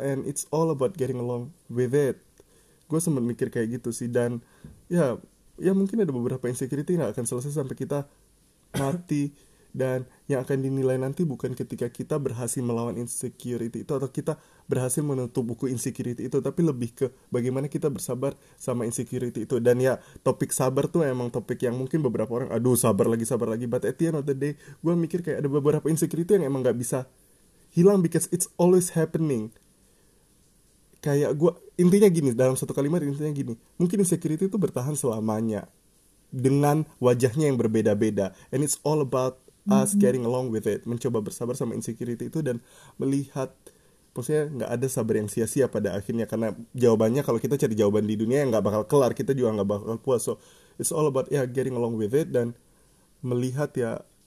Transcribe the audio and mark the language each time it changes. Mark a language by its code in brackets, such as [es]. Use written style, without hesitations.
[en] And it's all about getting along with it. [id] Gue sempat mikir kayak gitu sih. Dan ya, ya mungkin ada beberapa insecurity yang gak akan selesai sampai kita mati. Dan yang akan dinilai nanti bukan ketika kita berhasil melawan insecurity itu, atau kita berhasil menutup buku insecurity itu, tapi lebih ke bagaimana kita bersabar sama insecurity itu. Dan ya, topik sabar tuh emang topik yang mungkin beberapa orang, aduh sabar lagi. [en] But at the end of the day, [id] gue mikir kayak ada beberapa insecurity yang emang gak bisa hilang, [en] because it's always happening. [id] Kayak gue, intinya gini, dalam satu kalimat intinya gini, mungkin insecurity itu bertahan selamanya dengan wajahnya yang berbeda-beda. [en] And it's all about us getting along with it, [id] mencoba bersabar sama insecurity itu dan melihat, maksudnya gak ada sabar yang sia-sia pada akhirnya. Karena jawabannya, kalau kita cari jawaban di dunia yang gak bakal kelar, kita juga gak bakal puas. [en] So it's all about getting along with it [id] dan melihat ya,